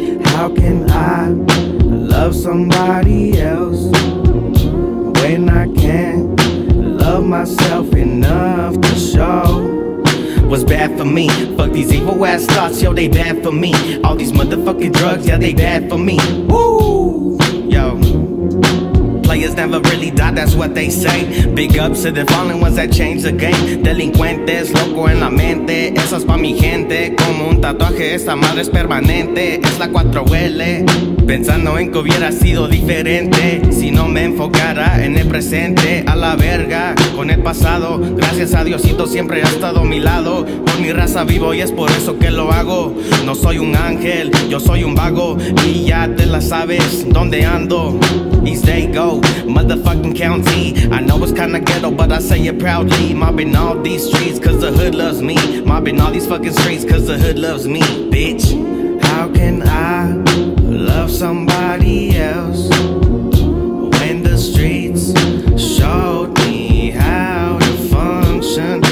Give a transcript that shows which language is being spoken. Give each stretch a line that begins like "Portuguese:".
English: How can I love somebody else when I can't love myself enough to show? Was bad for me. Fuck these evil ass thoughts, yo, they bad for me. All these motherfucking drugs, yeah, they bad for me. Woo! Yo. Players never really die, that's what they say. Big ups to the fallen ones that change the game.
Spanish: Delincuentes, loco en la mente. Eso es pa' mi gente. Como un tatuaje, esta madre es permanente. Es la 4L. Pensando en que hubiera sido diferente si no me enfocara en el presente. A la verga con el pasado. Gracias a Diosito siempre ha estado a mi lado. Por mi raza vivo y es por eso que lo hago. No soy un ángel, yo soy un vago. Y ya te la sabes dónde ando.
English: East they go, motherfucking county. I know it's kinda ghetto, but I say it proudly. Mobbing all these streets cause the hood loves me. Mobbing all these fucking streets cause the hood loves me, bitch. How can I love somebody else when the streets showed me how to function?